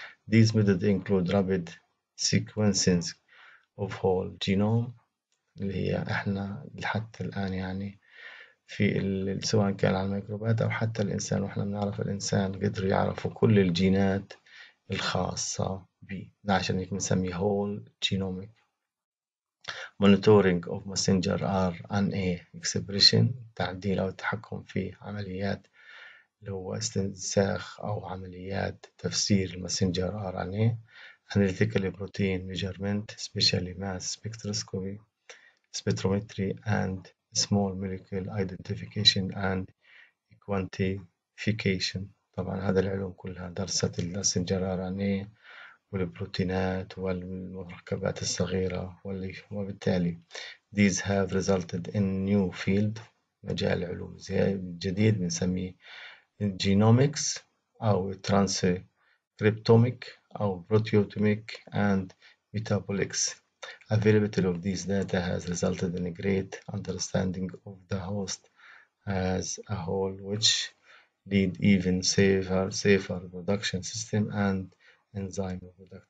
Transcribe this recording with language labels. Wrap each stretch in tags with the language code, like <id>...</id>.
<en>These methods include rapid sequencing of whole genome،</en> <ar>اللي هي احنا حتى الآن يعني في سواء كان على الميكروبات أو حتى الإنسان، واحنا بنعرف الإنسان قدر يعرف كل الجينات الخاصة به، عشان هيك بنسميه whole genomic.</ar> <en>Monitoring of messenger RNA expression،</en> <ar>تعديل أو التحكم في عمليات اللي هو استنساخ أو عمليات تفسير المسنجر RNA.</ar> <en>Analytical protein measurement especially mass spectroscopy spectrometry and small molecule identification and quantification.</en> <ar>طبعا هذا العلوم كلها درست المسنجر RNA والبروتينات والمركبات الصغيرة، وبالتالي</ar> <en>these have resulted in new field،</en> <ar>مجال علوم جديد بنسميه genomics أو transcriptomic أو proteomic and metabolics.</ar> <en>Availability of these data has resulted in a great understanding of the host as a whole, which lead even safer production system and enzyme product.</en>